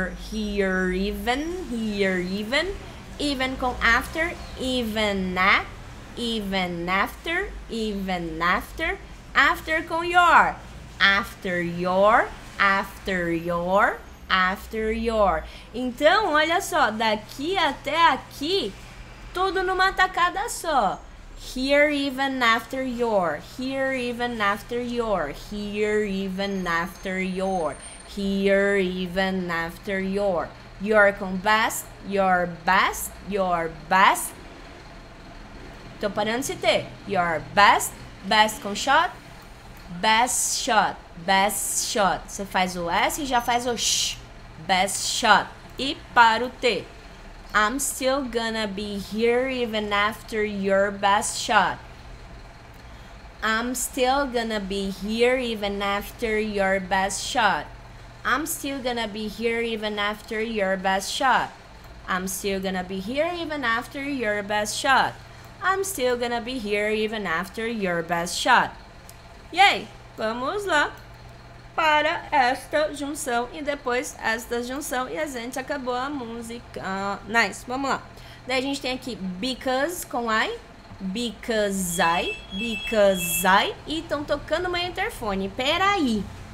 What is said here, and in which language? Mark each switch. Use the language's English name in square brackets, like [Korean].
[English] Here even, even com after, even after, after com your, after your, after your, after your. [Portuguese] Então, olha só, daqui até aqui, tudo numa tacada só. [English] Here even after your, here even after your, here even after your. Here even after your com best, your best, your best. [Portuguese] Tô parando esse T. [English] Your best, best com shot, best shot, best shot. [Portuguese] Você faz o S e já faz o sh, [English] best shot. [Portuguese] E para o T. [English] I'm still gonna be here even after your best shot. I'm still gonna be here even after your best shot. I'm still gonna be here even after your best shot. I'm still gonna be here even after your best shot. I'm still gonna be here even after your best shot. [Portuguese] E aí, vamos lá para esta junção e depois esta junção e a gente acabou a música. Nice, vamos lá. Daí a gente tem aqui because com I, [English] because I, because I, [Portuguese] e estão tocando meu interfone. Peraí.